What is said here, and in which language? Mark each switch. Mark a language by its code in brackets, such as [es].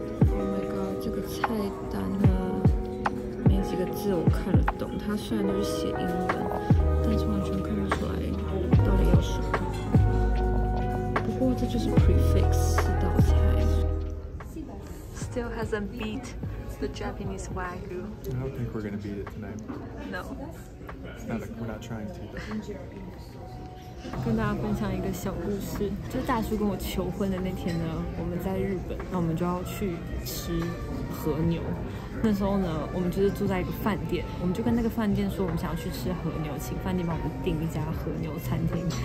[en] Oh my god， [zh] 这个菜单啊，没几个字我看得懂。它虽然都是写英文，但是完全看不出来到底要什么。不过这就是 prefix 四道菜。 [en] Still hasn't beat the Japanese Wagyu. I don't think we're going to beat it tonight. No. We're not trying to. [zh] 跟大家分享一个小故事，就是大叔跟我求婚的那天呢，我们在日本，那我们就要去吃和牛。那时候呢，我们就是住在一个饭店，我们就跟那个饭店说我们想要去吃和牛，请饭店帮我们订一家和牛餐厅。